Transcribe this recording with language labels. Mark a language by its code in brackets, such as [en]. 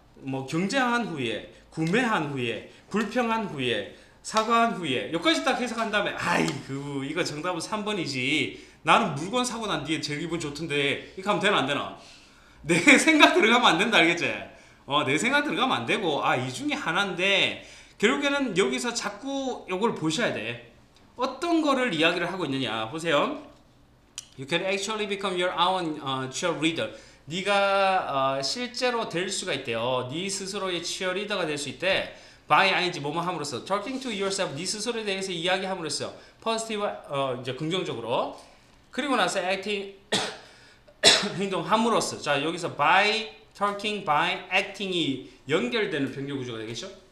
[ko] 뭐 경쟁한 후에, 구매한 후에, 불평한 후에, 사과한 후에, 여기까지 딱 해석한 다음에 아이고 이거 정답은 3번이지 나는 물건 사고 난 뒤에 제일 기분 좋던데 이렇게 하면 되나 안 되나? 내 생각 들어가면 안 된다 알겠지? 내 생각 들어가면 안 되고 아 이 중에 하나인데 결국에는 여기서 자꾸 이걸 보셔야 돼. 어떤 거를 이야기를 하고 있느냐 보세요. [en] You can actually become your own cheerleader. [ko] 네가 실제로 될 수가 있대요. 네 스스로의 치어리더가 될 수 있대. By ing 뭐뭐 함으로써 [en] talking to yourself [ko] 네 스스로에 대해서 이야기함으로써 positive 이제 긍정적으로 그리고 나서 acting 행동함으로써 자 여기서 by talking by acting이 연결되는 변경 구조가 되겠죠.